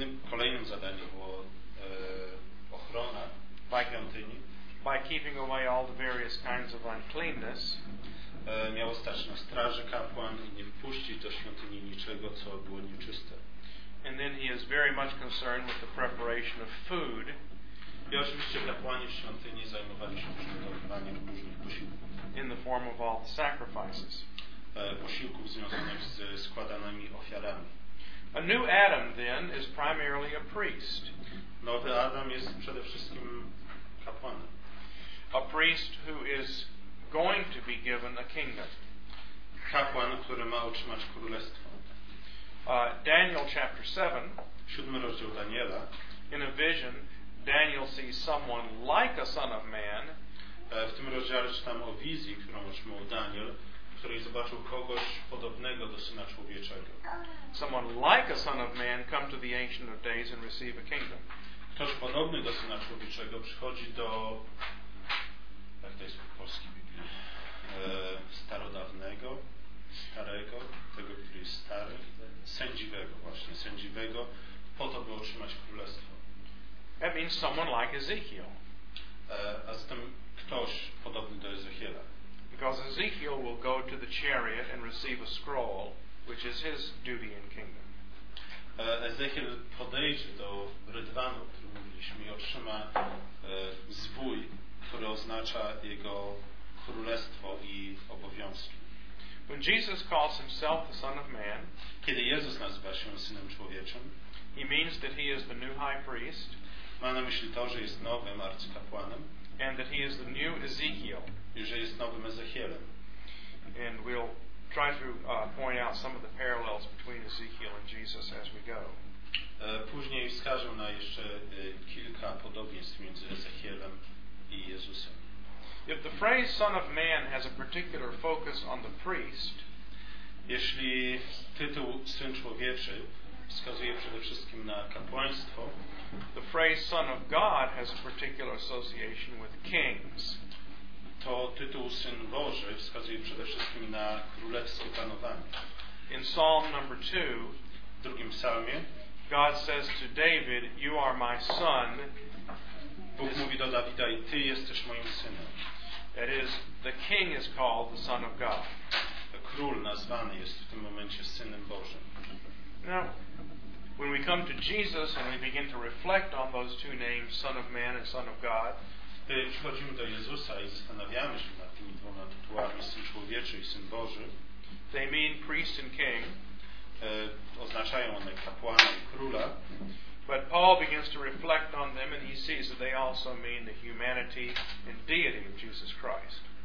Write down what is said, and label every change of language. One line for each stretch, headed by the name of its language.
Polish: Kolejnym zadaniem było ochrona świątyni.
English: By keeping away all the various kinds of uncleanness.
Polish: Miał stać na straży kapłan i nie wpuścić do świątyni niczego, co było nieczyste.
English: And then he is very much concerned with the preparation of food.
Polish: I oczywiście kapłani w świątyni zajmowali się przygotowywaniem różnych posiłków.
English: In the form of all the sacrifices.
Polish: Posiłków związanych z składanymi ofiarami.
English: A new Adam then is primarily a priest.
Polish: Nowy Adam jest przede wszystkim kapłanem.
English: A priest who is going to be given a kingdom.
Polish: kapłan, który ma otrzymać królestwo.
English: Daniel chapter 7.
Polish: Siódmy rozdział Daniela.
English: In a vision, Daniel sees someone like a son of man.
Polish: W tym rozdziale czytamy o wizji, którą otrzymał Daniel, który zobaczył kogoś podobnego do syna człowieczego.
English: Someone like a son of man come to the Ancient of Days and receive a kingdom.
Polish: Ktoś podobny do syna człowieczego przychodzi do, jak to jest w polskiej Biblii, starodawnego, starego, tego, który jest stary, sędziwego, właśnie sędziwego, po to, by otrzymać królestwo.
English: That means someone like Ezekiel.
Polish: A zatem ktoś podobny do Ezechiela.
English: Because Ezekiel will go to the chariot and receive a scroll, which is his duty and kingdom.
Polish: Ezechiel podejdzie do rydwanu, o którym mówiliśmy, i otrzyma zwój, który oznacza jego królestwo i obowiązki.
English: When Jesus calls himself the Son of Man,
Polish: kiedy Jezus nazywa się Synem Człowieczym,
English: he means that he is the new high priest,
Polish: ma na myśli to, że jest nowym arcykapłanem,
English: and that he is the new Ezekiel,
Polish: i że jest nowym Ezechielem.
English: And we'll try to point out some of the parallels between Ezekiel and Jesus as we go.
Polish: Później wskażę na jeszcze kilka podobieństw między Ezechielem i Jezusem.
English: If the phrase Son of Man has a particular focus on the priest,
Polish: jeśli tytuł Syn Człowieczy wskazuje przede wszystkim na kapłaństwo,
English: the phrase Son of God has a particular association with kings.
Polish: To tytuł Syn Boży wskazuje przede wszystkim na królewskie panowanie.
English: In Psalm number 2,
Polish: w drugim psalmie,
English: God says to David, "You are my son."
Polish: Bóg mówi do Dawida, i ty jesteś moim synem.
English: That is, the king is called the Son of God.
Polish: Król nazwany jest w tym momencie Synem Bożym.
English: Now, when we come to Jesus and we begin to reflect on those two names, Son of Man and Son of God,
Polish: gdy przychodzimy do Jezusa i zastanawiamy się nad tymi dwoma tytułami, Syn Człowieczy i Syn Boży,
English: they mean priest and king,
Polish: oznaczają one kapłana i króla,
English: but Paul begins to reflect on them and he sees that they also mean the humanity and deity of Jesus Christ.